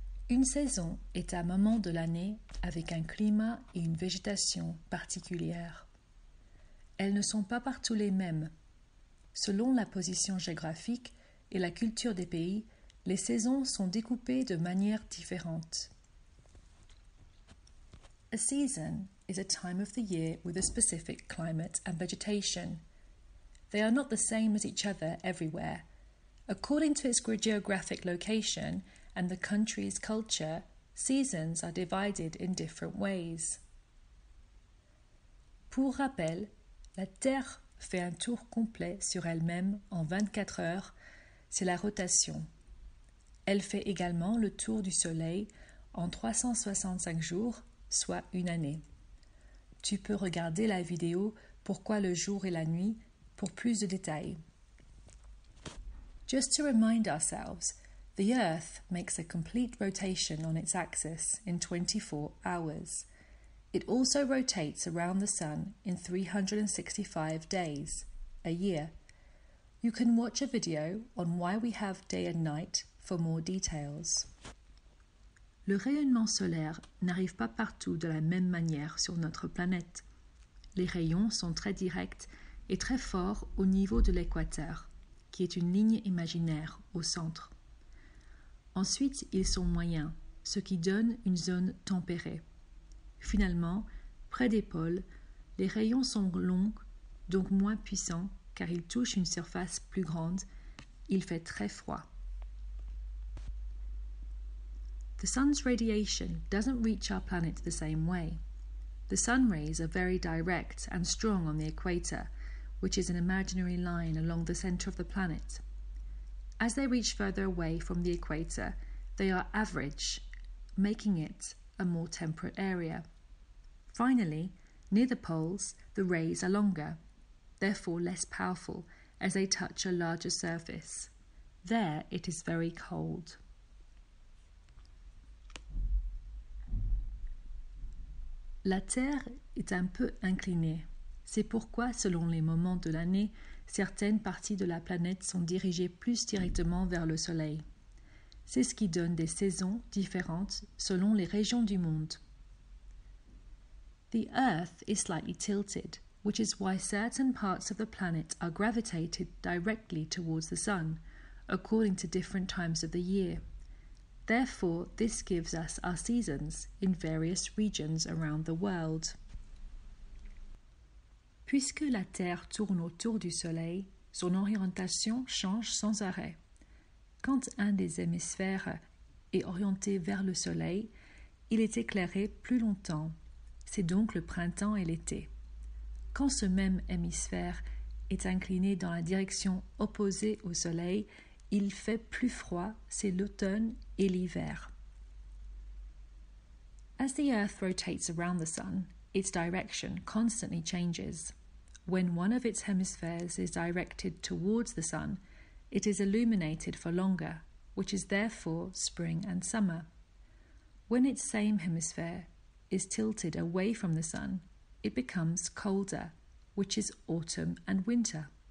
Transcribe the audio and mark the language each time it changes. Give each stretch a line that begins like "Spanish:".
French: Une saison est un moment de l'année avec un climat et une végétation particulières. Elles ne sont pas partout les mêmes. Selon la position géographique et la culture des pays, les saisons sont découpées de manière différente.
English: A season is a time of the year with a specific climate and vegetation. They are not the same as each other everywhere. According to its geographic location and the country's culture, seasons are divided in different ways.
French: Pour rappel, la Terre fait un tour complet sur elle-même en 24 heures, c'est la rotation. Elle fait également le tour du Soleil en 365 jours, soit une année. Tu peux regarder la vidéo « Pourquoi le jour et la nuit ?» pour plus de détails.
English: Just to remind ourselves, the Earth makes a complete rotation on its axis in 24 hours. It also rotates around the Sun in 365 days, a year. You can watch a video on why we have day and night for more details.
French: Le rayonnement solaire n'arrive pas partout de la même manière sur notre planète. Les rayons sont très directs et très forts au niveau de l'équateur, qui est une ligne imaginaire au centre. Ensuite, ils sont moyens, ce qui donne une zone tempérée. Finalement, près des pôles, les rayons sont longs, donc moins puissants, car ils touchent une surface plus grande. Il fait très froid.
English: The sun's radiation doesn't reach our planet the same way. The sun rays are very direct and strong on the equator, which is an imaginary line along the center of the planet. As they reach further away from the equator, they are average, making it a more temperate area. Finally, near the poles, the rays are longer, therefore less powerful, as they touch a larger surface. There it is very cold.
French: La Terre est un peu inclinée. C'est pourquoi, selon les moments de l'année, certaines parties de la planète sont dirigées plus directement vers le Soleil. C'est ce qui donne des saisons différentes selon les régions du monde.
English: The Earth is slightly tilted, which is why certain parts of the planet are gravitated directly towards the Sun, according to different times of the year. Therefore, this gives us our seasons in various regions around the world.
French: Puisque la Terre tourne autour du Soleil, son orientation change sans arrêt. Quand un des hémisphères est orienté vers le Soleil, il est éclairé plus longtemps. C'est donc le printemps et l'été. Quand ce même hémisphère est incliné dans la direction opposée au Soleil, il fait plus froid, c'est l'automne et l'hiver.
English: As the Earth rotates around the Sun, its direction constantly changes. When one of its hemispheres is directed towards the Sun, it is illuminated for longer, which is therefore spring and summer. When its same hemisphere is tilted away from the Sun, it becomes colder, which is autumn and winter.